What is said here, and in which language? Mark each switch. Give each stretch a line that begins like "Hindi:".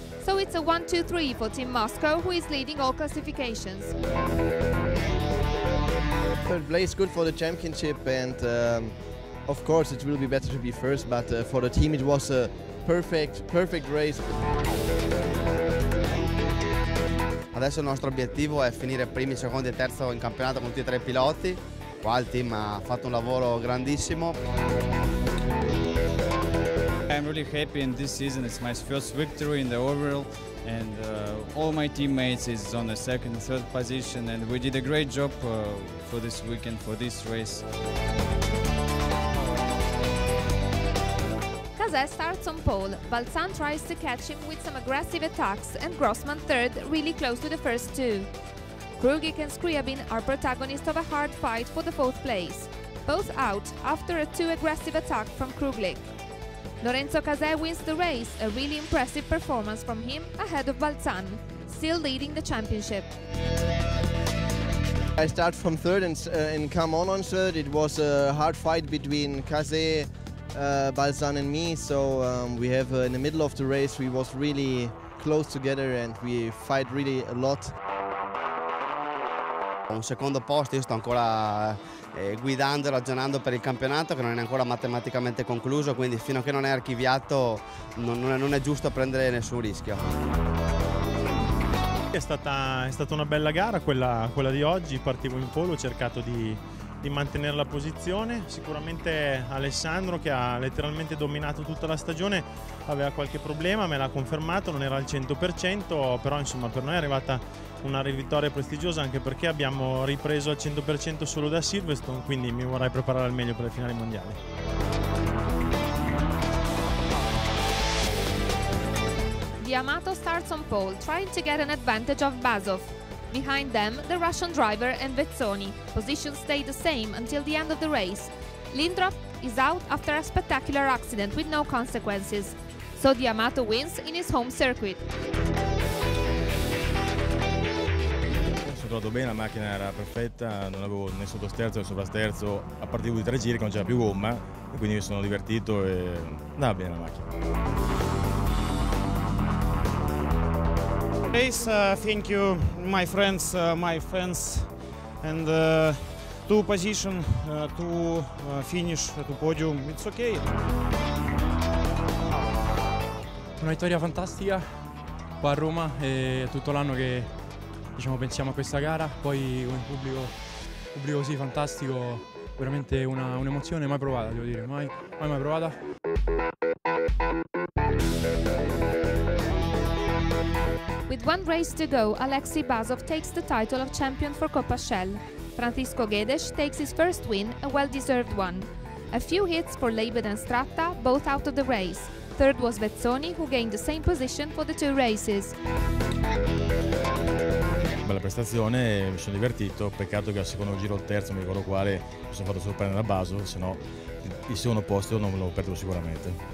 English: So it's a 1-2-3 for Team Moscow, who is leading all classifications. Third place, good for the championship, and of course it will be better to be first, but for the team it was a perfect race.
Italian: Adesso il nostro obiettivo è finire primi, secondi e terzo in campionato con tutti e tre i piloti. Qua il team ha fatto un lavoro grandissimo.
English: I'm really happy in this season. It's my first victory in the overall, and all my teammates is on the second, third position, and we did a great job for this weekend, for this race. Caset starts on pole. Balzan tries to catch him with some aggressive attacks, and Grossman third, really close to the first two. Krugik and Scriabin are protagonists of a hard fight for the fourth place. Both out after a too aggressive attack from Kruglik. Lorenzo Caset wins the race, a really impressive performance from him ahead of Balzan, still leading the championship. I start from third and come on third. It was a hard fight between Caset, Balzan and me, so we have in the middle of the race we was really close together and we fight really a lot.
Italian: Un secondo posto, io sto ancora guidando e ragionando per il campionato che non è ancora matematicamente concluso, quindi fino a che non è archiviato non è giusto prendere nessun rischio. È stata una bella gara quella di oggi, partivo in polo, ho cercato di mantenere la posizione, sicuramente Alessandro, che ha letteralmente dominato tutta la stagione, aveva qualche problema, me l'ha confermato, non era al 100%, però insomma per noi è arrivata una vittoria prestigiosa, anche perché abbiamo ripreso al 100% solo da Silverstone, quindi mi vorrei preparare al meglio per le finali mondiali.
English: Yamato starts on pole, trying to get an advantage of Bazov. Behind them, the Russian driver and Vezzoni. Positions stay the same until the end of the race. Lindrov is out after a spectacular accident with no consequences. So Yamato wins in his home circuit.
Italian: Ho trovato bene, la macchina era perfetta, non avevo né sottosterzo né sovrasterzo, a partire di tre giri che non c'era più gomma, e quindi mi sono divertito e andava bene la macchina.
English: Race, thank you my friends, my fans, and two position, two finish, two podium, it's okay.
Italian: Una vittoria fantastica qua a Roma e tutto l'anno che diciamo pensiamo a questa gara, poi con il pubblico sì, fantastico, veramente un'emozione mai provata, devo dire, mai provata.
English: With one race to go, Alexei Bazov takes the title of champion for Coppa Shell. Francisco Guedes takes his first win, a well-deserved one. A few hits for Leibet and Stratta, both out of the race. Third was Vezzoni, who gained the same position for the two races.
Italian: Bella prestazione, mi sono divertito, peccato che al secondo giro, il terzo, mi ricordo quale, mi sono fatto sorprendere da Basel, se no il secondo posto non me lo perdo sicuramente.